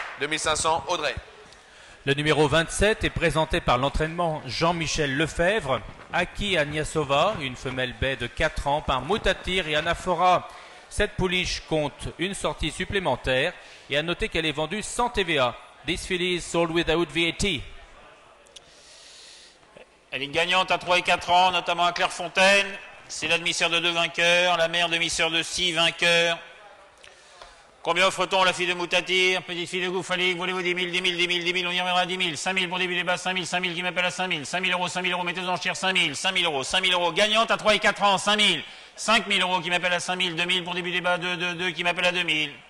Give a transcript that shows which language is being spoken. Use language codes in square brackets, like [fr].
[fr] 2 500, Audrey. Le numéro 27 est présenté par l'entraînement Jean-Michel Lefebvre, Aki Agnasova, une femelle bay de 4 ans, par Moutatir et Anafora. Cette pouliche compte une sortie supplémentaire et à noter qu'elle est vendue sans TVA. [en] This filly is sold without VAT. [fr] Elle est gagnante à 3 et 4 ans, notamment à Clairefontaine. C'est l'admisseur de 2 vainqueurs, la mère demi-sœur de 6 vainqueurs. Combien offre-t-on la fille de Moutatir, petite fille de Goufalik, voulez-vous 10 000, on y reviendra à 10 000, 5 000 pour début débat, 5 000, 5 000 qui m'appelle à 5 000, 5 000 euros, 5 000 euros, mettez en chair, 5 000, 5 000 euros, 5 000 euros, gagnante à 3 et 4 ans, 5 000, 5 000 euros qui m'appelle à 5 000, 2 000 pour début débat, 2 qui m'appelle à 2 000,